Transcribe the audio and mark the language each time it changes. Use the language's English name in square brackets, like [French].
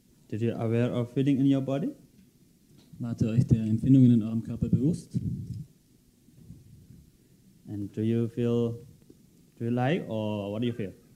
[English] Did you aware of feeling in your body? [German] Wart ihr euch der Empfindungen in eurem Körper bewusst? [English] And do you like or what do you feel?